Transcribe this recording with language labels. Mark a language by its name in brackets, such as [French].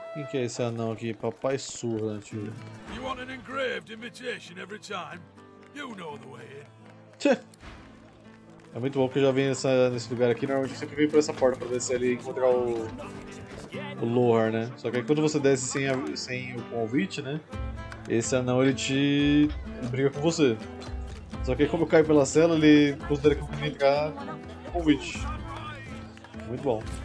[Portuguese] Que é esse anão aqui, papai surra, né, tio? [English] You want an engraved invitation every time? You know the way in. [Portuguese] Tchê. É muito bom que eu já vim nesse lugar aqui, normalmente eu sempre vim por essa porta pra descer ali e encontrar o Lohar, né? Só que aí quando você desce sem o convite, né? Esse anão, ele te... ele briga com você. Só que aí como eu caio pela cela, ele considera que eu vim entrar com o convite. Muito bom.